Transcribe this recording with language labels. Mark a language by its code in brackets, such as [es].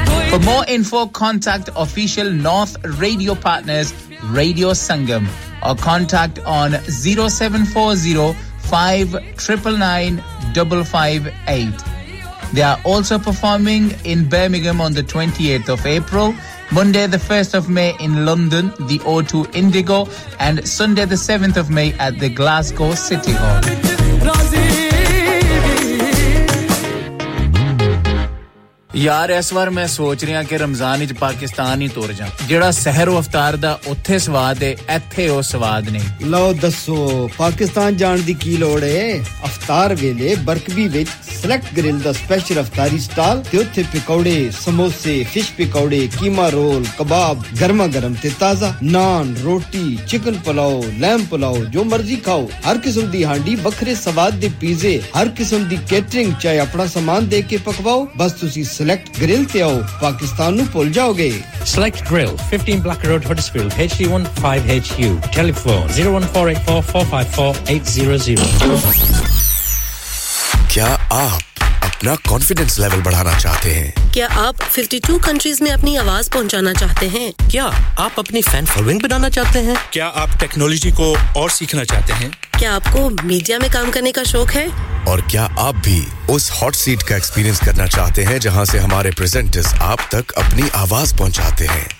[en] For more info, contact official North Radio Partners, Radio Sangam, or contact on 0740-599-558. They are also performing in Birmingham on the 28th of April, Monday the 1st of May in London, the O2 Indigo, and Sunday the 7th of May at the Glasgow City Hall. [pa] ਯਾਰ ਇਸ ਵਾਰ ਮੈਂ ਸੋਚ ਰਿਹਾ ਕਿ ਰਮਜ਼ਾਨ ਵਿੱਚ ਪਾਕਿਸਤਾਨ ਹੀ ਤੁਰ ਜਾ ਜਿਹੜਾ ਸਹਿਰ ਉਹ ਅਫਤਾਰ ਦਾ ਉੱਥੇ ਸਵਾਦ ਹੈ ਇੱਥੇ ਉਹ ਸਵਾਦ ਨਹੀਂ ਲਓ ਦੱਸੋ ਪਾਕਿਸਤਾਨ ਜਾਣ ਦੀ ਕੀ ਲੋੜ ਹੈ ਅਫਤਾਰ ਵੇਲੇ ਬਰਕਵੀ ਵਿੱਚ ਸਿਲੈਕਟ ਗ੍ਰਿਲ ਦਾ ਸਪੈਸ਼ਲ ਅਫਤਾਰੀ ਸਟਾਲ ਤੇ ਉੱਥੇ ਪਕੌੜੇ ਸਮੋਸੇ ਫਿਸ਼ ਪਕੌੜੇ ਕੀਮਾ ਰੋਲ ਕਬਾਬ ਗਰਮਾ ਗਰਮ ਤੇ ਤਾਜ਼ਾ ਨਾਨ ਰੋਟੀ ਚਿਕਨ ਪਲਾਓ ਲੈਮ ਪਲਾਓ ਜੋ ਮਰਜ਼ੀ ਖਾਓ ਹਰ ਕਿਸਮ ਦੀ ਹਾਂਡੀ ਵੱਖਰੇ ਸਵਾਦ ਦੇ ਪੀਜ਼ੇ ਹਰ ਕਿਸਮ ਦੀ ਕੇਟਰਿੰਗ ਚਾਹੇ ਆਪਣਾ ਸਮਾਨ ਦੇ ਕੇ ਪਕਵਾਓ ਬਸ ਤੁਸੀਂ ਸਿਲੈਕਟ ਗ੍ਰਿਲ ਤੇ ਆਓ ਪਾਕਿਸਤਾਨ ਨੂੰ ਭੁੱਲ ਜਾਓਗੇ select grill 15 black road Huddersfield HD15HU telephone 01484454800 [hi] क्या आप अपना कॉन्फिडेंस लेवल बढ़ाना चाहते हैं क्या आप 52 कंट्रीज में अपनी आवाज पहुंचाना चाहते हैं क्या आप अपनी फैन फॉलोइंग बनाना चाहते हैं क्या आप टेक्नोलॉजी को और सीखना चाहते हैं क्या आपको मीडिया में काम करने का शौक है और क्या आप भी उस हॉट सीट का एक्सपीरियंस करना चाहते हैं जहां से हमारे प्रेजेंटर्स आप तक अपनी आवाज पहुंचाते हैं